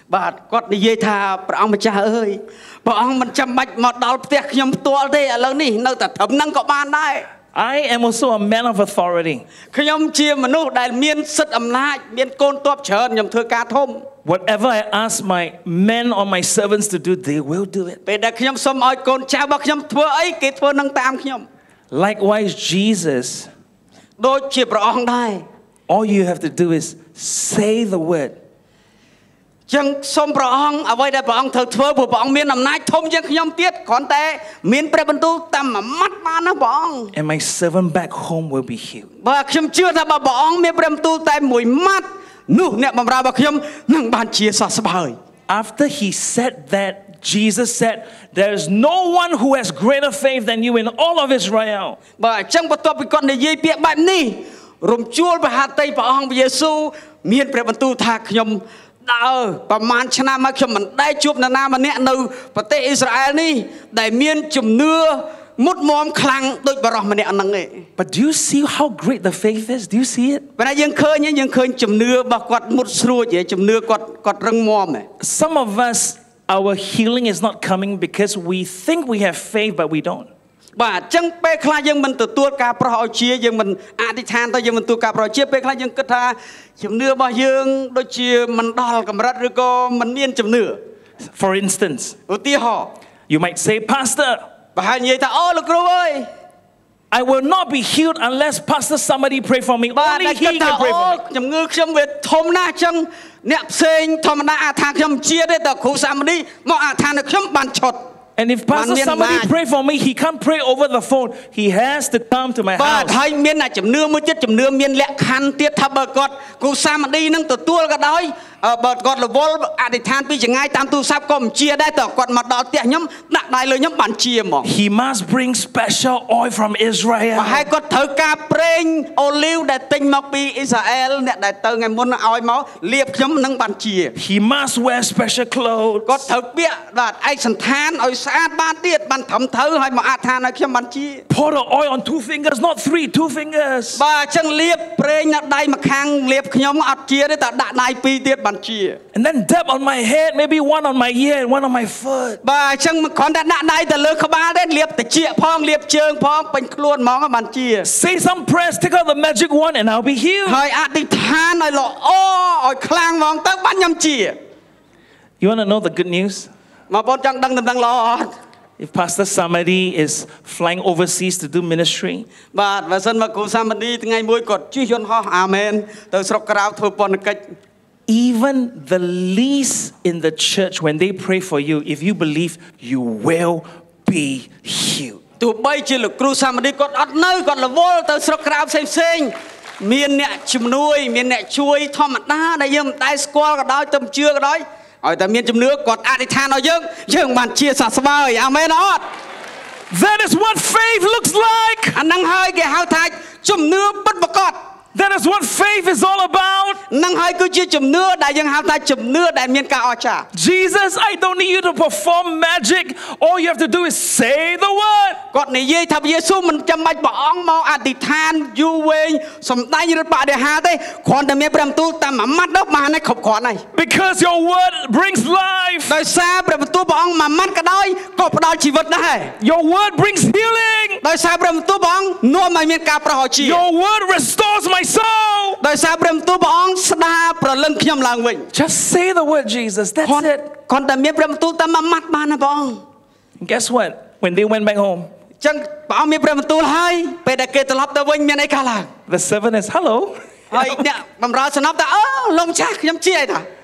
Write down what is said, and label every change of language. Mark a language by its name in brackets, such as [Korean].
[Khmer] បាទគាត់និយាយថាព្រះអង្គម្ចាស់អើយព្រះអង្គមិនចាំបាច់មកដល់ផ្ទះខ្ញុំផ្ទាល់ទេឥឡូវនេះនៅតែត្រឹមហ្នឹងក៏បានដែរ [English] I am also a man of authority [Khmer] ខ្ញុំជាមនុស្សដែលមានសិទ្ធិអំណាចមានកូនទ័ពច្រើនខ្ញុំធ្វើការធំ [English] Whatever I ask my men or my servants to do they will do it [Khmer] ពេលដែលខ្ញុំសុំឲ្យកូនចៅរបស់ខ្ញុំធ្វើអីគេធ្វើនឹងតាមខ្ញុំ [English] Likewise Jesus [Khmer] ដូចជាព្រះអង្គដែរ [English] All you have to do is say the word. [Khmer] ចឹងសូមព្រះអង្គអ្វីដែលព្រះអង្គត្រូវធ្វើព្រះអង្គមានអំណាចធំជាងខ្ញុំទៀតគ្រាន់តែមានព្រះបន្ទូលតាមមួយម៉ាត់បានណាព្រះអង្គ [English] And my servant back home will be healed. [Khmer] បើខ្ញុំជឿថាបើព្រះអង្គមានព្រះបន្ទូលតែមួយម៉ាត់នោះអ្នកបម្រើរបស់ខ្ញុំនឹងបានជាសះស្បើយ [English] After he said that Jesus said there is no one who has greater faith than you in all of Israel. [Khmer] បើចឹងបន្ទាប់ពីគាត់និយាយពាក្យបែបនេះរំជួលព្រះហត្ថីព្រះអង្គព្រះយេស៊ូវមានព្រះបន្ទូលថាខ្ញុំដើរប្រមាណឆ្នាំមកខ្ញុំមិនដែលជួបនរណាម្នាក់នៅប្រទេសអ៊ីស្រាអែលនេះដែលមានជំនឿមុតមមខ្លាំងដូចបរិសម្នាក់ហ្នឹងឯង [English] But do you see how great the faith is? Do you see it? [Khmer] ព្រោះយើងឃើញយើងឃើញជំនឿរបស់គាត់មុតស្រួចឯងជំនឿគាត់រឹងមាំឯង [English] Some of us our healing is not coming because we think we have faith but we don't [Khmer] បាទអញ្ចឹងពេលខ្លះយើងមិនទទួលការប្រោះឲ្យជាយើងមិនអធិដ្ឋានទៅយើងមិនទូការប្រោះជាពេលខ្លះយើងគិតថាជំនឿរបស់យើងដូចជាមិនដល់កម្រិតឬក៏មិនមានជំនឿ [English] For instance [Khmer] ឧទាហរណ៍ [English] You might say pastor [Khmer] បើហើយនិយាយថាអូលោកគ្រូអើយ [English] I will not be healed unless pastor somebody pray for me [Khmer] បាទគិតថាអូជំងឺខ្ញុំវាធំណាស់អញ្ចឹងអ្នកផ្សេងធម្មតាអាចថាខ្ញុំជាទេតើគ្រូសាមណីមកអាចថានៅខ្ញុំបានឆុត [English] And if pastor somebody pray for me he can't pray over the phone he has to come to my house [Khmer] But hay mean a chumnua mu chit chumnua mean lakkhan tiet tha ba kot ku samadhi nang totuol ka doy បើគាត់រវល់អធិដ្ឋានពីចងាយតាមទូរស័ព្ទក៏មិនជាដែរតើគាត់មកដល់ផ្ទះខ្ញុំដាក់ដៃលើខ្ញុំបានជាហ្មង [English] He must bring special oil from Israel [Khmer] ហើយគាត់ត្រូវការប្រេងអូលីវដែលទិញមកពីអ៊ីស្រាអែលអ្នកដែលទៅថ្ងៃមុនឲ្យមកលាបខ្ញុំនឹងបានជា [English] He must wear special clothes [Khmer] គាត់ត្រូវពាក់ដាក់ឯកសណ្ឋានឲ្យស្អាតបានទៀតបានត្រឹមត្រូវហើយមកអធិដ្ឋានឲ្យខ្ញុំបានជា [English] Pour the oil on two fingers not three two fingers [Khmer] បាទចឹងលាបប្រេងនៅដៃម្ខាងលាបខ្ញុំអត់ជាទេតែដាក់ដៃពីរទៀតបានជា [English] And then dab on my head maybe one on my ear and one on my foot [Khmer] បាទចឹងមិនគ្រាន់តែដាក់ដៃទៅលើក្បាលទេលាបត្រចៀកផងលាបជើងផងពេញខ្លួនហ្មងបានជា [English] Say some prayers take out the magic wand and I'll be healed [Khmer] ហើយអធិដ្ឋានឲ្យល្អឲ្យខ្លាំងហ្មងទៅបានខ្ញុំជា [English] You want to know the good news [Khmer] មកបងចង់ដឹងដំណឹងល្អអត់ [English] If Pastor Samadhi is flying overseas to do ministry. [Khmer] But បើសិនមកគ្រូសាមាធិថ្ងៃមួយគាត់ជិះយន្តហោះអាមែនទៅស្រុកក្រៅធ្វើពន្ធកិច្ច [English] Even the least in the church when they pray for you if you believe you will be healed. [Khmer] ទោះបីជាលោកគ្រូសាមាធិគាត់អត់នៅគាត់រវល់ទៅស្រុកក្រៅផ្សេងផ្សេងមានអ្នកជំនួយមានអ្នកជួយធម្មតាដែលយើងមិនដែលស្គាល់ក៏ដោយទៅជឿក៏ដោយឲ្យតែមានជំនឿគាត់អធិដ្ឋានឲ្យយើងយើងបានជាសះស្បើយអាមែនអត់ [English] That is what faith looks like [Khmer] អានឹងហើយគេហៅថាជំនឿពិតប្រាកដ [English] That is what faith is all about [Khmer] នឹងហើយគឺជាជំនឿដែលយើងហៅថាជំនឿដែលមានការអស្ចារ្យ [English] Jesus I don't need you to perform magic all you have to do is say the word [Khmer] គាត់និយាយថាព្រះយេស៊ូវមិនចាំបាច់ព្រះអង្គមកអធិដ្ឋានយូរវែងសំដែងឬបដិហាទេគ្រាន់តែមានព្រះបន្ទូលតាមមួយម៉ាត់នោះបានហើយគ្រប់គ្រាន់ហើយ [English] Because your word brings life [Khmer] ដោយសារព្រះបន្ទូលព្រះអង្គមួយម៉ាត់ក៏ដោយក៏ផ្ដល់ជីវិតដែរ [English] Your word brings healing [Khmer] ដោយសារព្រះបន្ទូលព្រះអង្គនាំឲ្យមានការប្រោះជា [English] Your word restores my [Khmer] ដោយសារព្រះបន្ទូលព្រះអង្គស្ដារប្រលឹងខ្ញុំឡើងវិញ [English] Just say the word Jesus that's it [Khmer] គាត់តែមានព្រះបន្ទូលតែមួយម៉ាត់បានណាបង [English] Guess what when they went back home [Khmer] ចឹងព្រះអង្គមានព្រះបន្ទូលហើយពេលដែលគេត្រឡប់ទៅវិញមានអីកើតឡើង [English] The servant is hello [Khmer] ហើយអ្នកបម្រើស្នប់ថាអឺលោកម្ចាស់ខ្ញុំជាហើយថា